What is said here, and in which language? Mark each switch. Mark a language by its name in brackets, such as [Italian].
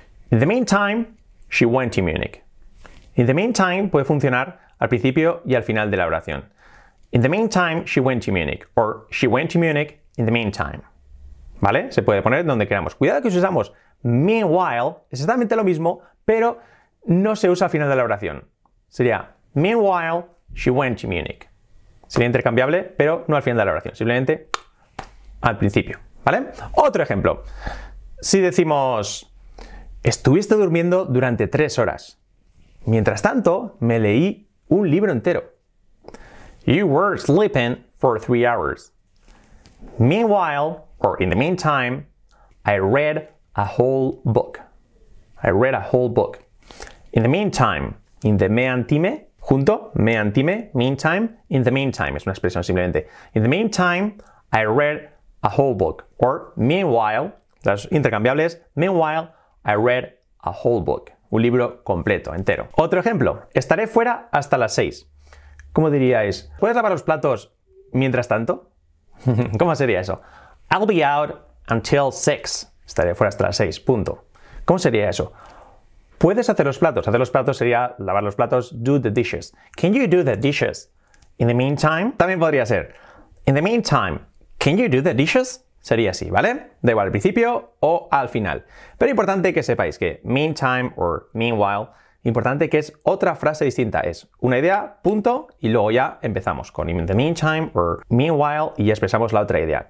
[English] In the meantime, she went to Munich. [Spanish] In the meantime puede funcionar al principio y al final de la oración. [English] In the meantime, she went to Munich. Or she went to Munich in the meantime. [Spanish] ¿Vale? Se puede poner donde queramos. Cuidado que si usamos meanwhile, es exactamente lo mismo, pero no se usa al final de la oración. Sería [English] meanwhile, she went to Munich. [Spanish] Sería intercambiable, pero no al final de la oración. Simplemente al principio. ¿Vale? Otro ejemplo. Si decimos, estuviste durmiendo durante 3 horas. Mientras tanto, me leí un libro entero. [English] You were sleeping for 3 hours. Meanwhile, or in the meantime, I read a whole book. I read a whole book. In the meantime, in the meantime, [Spanish] junto, me antime, meantime, in the meantime, es una expresión simplemente. [English] In the meantime, I read a whole book. Or meanwhile, [Spanish] las intercambiables, [English] meanwhile, I read a whole book. [Spanish] Un libro completo, entero. Otro ejemplo, estaré fuera hasta las 6. ¿Cómo diríais? ¿Puedes lavar los platos mientras tanto? ¿Cómo sería eso? [English] I'll be out until 6. [Spanish] Estaré fuera hasta las 6, punto. ¿Cómo sería eso? ¿Puedes hacer los platos? Hacer los platos sería lavar los platos, [English] do the dishes. Can you do the dishes in the meantime? [Spanish] También podría ser, [English] in the meantime, can you do the dishes? [Spanish] Sería así, ¿vale? Da igual al principio o al final. Pero importante que sepáis que meantime or meanwhile, importante que es otra frase distinta. Es una idea, punto, y luego ya empezamos con in the meantime or meanwhile y ya expresamos la otra idea.